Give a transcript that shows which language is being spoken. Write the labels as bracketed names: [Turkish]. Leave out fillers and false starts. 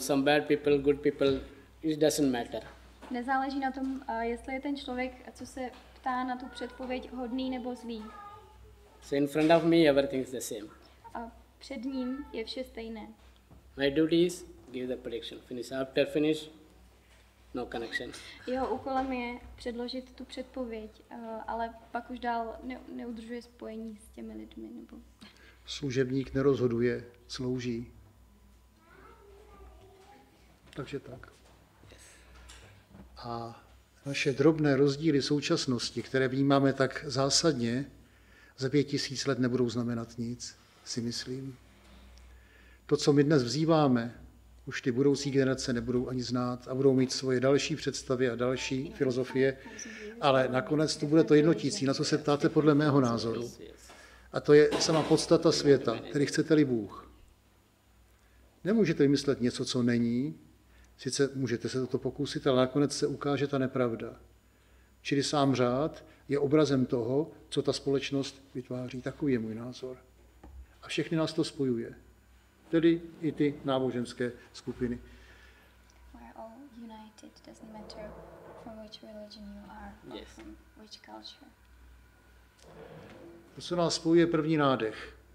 [English] Some bad people, good people, it doesn't matter. [Czech] Nezáleží na tom, jestli je ten člověk, co se ptá na tu předpověď, hodný nebo zlý. [English] So in front of me, everything is the same. [Czech] A před ním je vše stejné. [English] My duty is give the prediction. Finish after finish. No connection. [Czech] Jeho úkolem je předložit tu předpověď, ale pak už dál neudržuje spojení s těmi lidmi. Nebo... Služebník nerozhoduje, slouží. Takže tak. A naše drobné rozdíly současnosti, které vnímáme tak zásadně, za 5000 let nebudou znamenat nic, si myslím. To, co my dnes vzýváme, už ty budoucí generace nebudou ani znát a budou mít svoje další představy a další filozofie, ale nakonec to bude to jednotící, na co se ptáte podle mého názoru. A to je sama podstata světa, tedy chcete-li Bůh. Nemůžete vymyslet něco, co není, sice můžete se toto pokusit, ale nakonec se ukáže ta nepravda. Čili sám řád je obrazem toho, co ta společnost vytváří, takový je můj názor. A všechny nás to spojuje. Tedy i ty náboženské skupiny. [English] We're all united, doesn't matter from which religion you are, yes, from which culture. [Czech] To, co nás spojuje, první nádech.